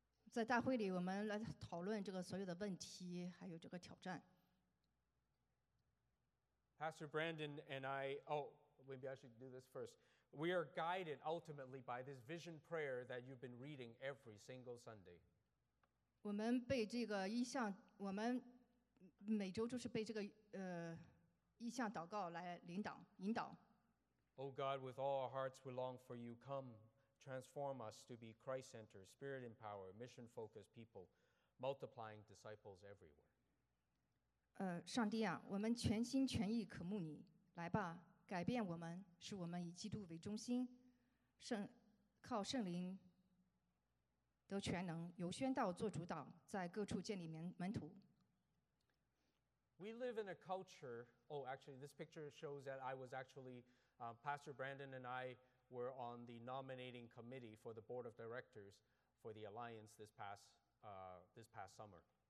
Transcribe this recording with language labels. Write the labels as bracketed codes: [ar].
[zh] 在大会里，我们来讨论这个所有的问题，还有这个挑战。 [en] Pastor Brandon and I, maybe I should do this first. We are guided ultimately by this vision prayer that you've been reading every single Sunday. [zh] 我们被这个意象，我们每周就是被这个意象祷告来领导引导。 [en] Oh God, with all our hearts we long for you. Come, transform us to be Christ-centered, Spirit-empowered, mission-focused people, multiplying disciples everywhere. [zh] 上帝啊，我们全心全意渴慕你，来吧，改变我们，使我们以基督为中心，靠圣灵得全能，由宣道做主导，在各处建立门徒。 [en] We live in a culture. Oh, actually, this picture shows that I was actually, Pastor Brandon and I were on the nominating committee for the board of directors for the alliance this past summer.